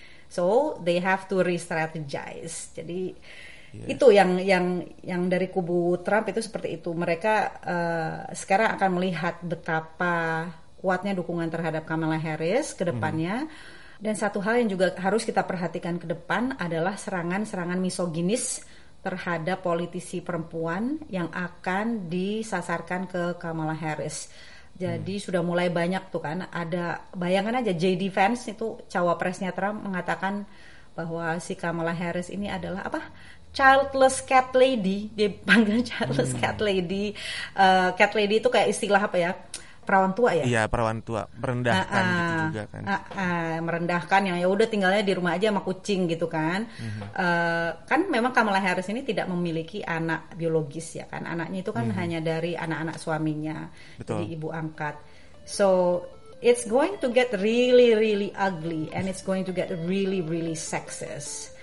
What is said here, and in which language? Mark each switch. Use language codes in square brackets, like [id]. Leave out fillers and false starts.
[en] So, they have to re-strategize. [id] Jadi itu yang dari kubu Trump itu seperti itu. Mereka sekarang akan melihat betapa kuatnya dukungan terhadap Kamala Harris ke depannya. Dan satu hal yang juga harus kita perhatikan ke depan adalah serangan-serangan misoginis terhadap politisi perempuan yang akan disasarkan ke Kamala Harris. Jadi sudah mulai banyak tuh kan, ada, bayangkan aja JD Vance itu cawapresnya Trump mengatakan bahwa si Kamala Harris ini adalah apa? [en] Childless cat lady, [id] dia panggil [en] childless cat lady. [id] Cat lady itu kayak istilah apa ya? Perawan tua ya? Iya, perawan tua, merendahkan gitu juga kan. Merendahkan yang ya udah tinggalnya di rumah aja sama kucing gitu kan. Kan memang Kamala Harris ini tidak memiliki anak biologis ya kan. Anaknya itu kan hanya dari anak-anak suaminya. Betul. Jadi ibu angkat. So [en] it's going to get really, really ugly, and it's going to get really, really sexist.